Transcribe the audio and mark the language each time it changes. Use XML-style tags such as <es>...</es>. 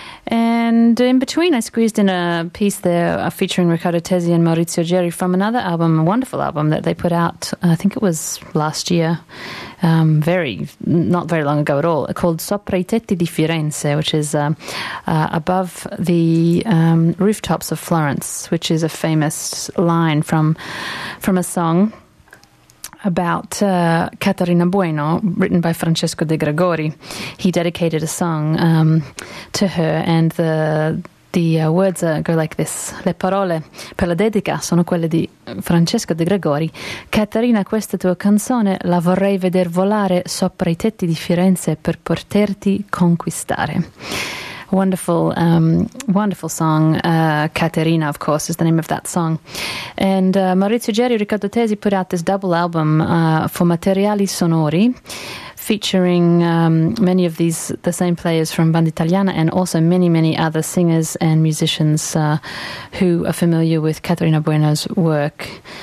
<en>And in between, I squeezed in a piece there featuring Riccardo Tesi and Maurizio Geri from another album, a wonderful album that they put out, I think it was last year, not very long ago at all, called Sopra I Tetti di Firenze, which is above the rooftops of Florence, which is a famous line from a song about Caterina Bueno, written by Francesco De Gregori. He dedicated a song to her, and the words go like this.</en> <it>Le parole per la dedica sono quelle di Francesco De Gregori. Caterina, questa tua canzone la vorrei veder volare sopra I tetti di Firenze per poterti conquistare.</it> <en>Wonderful, wonderful song. Caterina, of course, is the name of that song. And Maurizio Geri, Riccardo Tesi put out this double album for Materiali Sonori, featuring many of the same players from Band Italiana, and also many, many other singers and musicians who are familiar with Caterina Bueno's work.</en>